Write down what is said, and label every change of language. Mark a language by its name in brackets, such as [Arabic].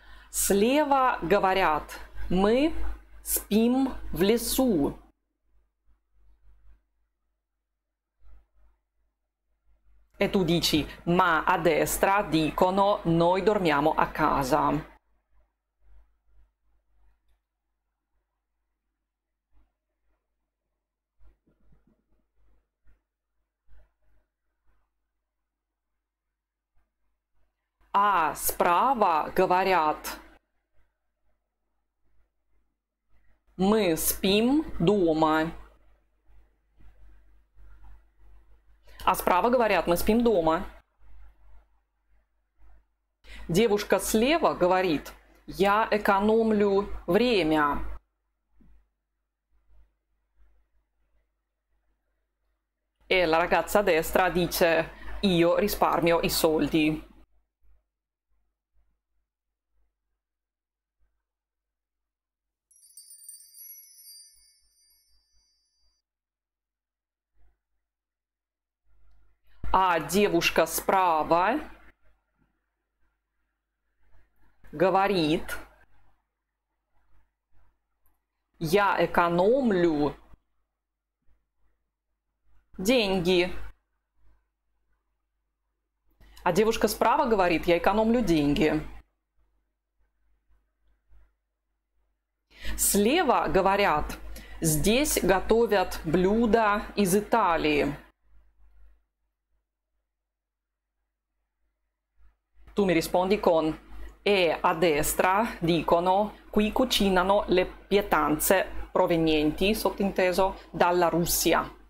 [Russian] Слева говорят, мы спим в лесу. [Italian] E tu dici, ma a destra dicono, noi dormiamo a casa. [Russian] А справа говорят, мы спим дома. А справа говорят, мы спим дома. Девушка слева говорит, я экономлю время. [Italian] E la ragazza a destra dice, io risparmio i soldi. [Russian] А девушка справа говорит, я экономлю деньги. А девушка справа говорит, я экономлю деньги. Слева говорят, здесь готовят блюда из Италии. [Italian] Tu mi rispondi con e a destra dicono qui cucinano le pietanze provenienti, sottinteso, dalla Russia.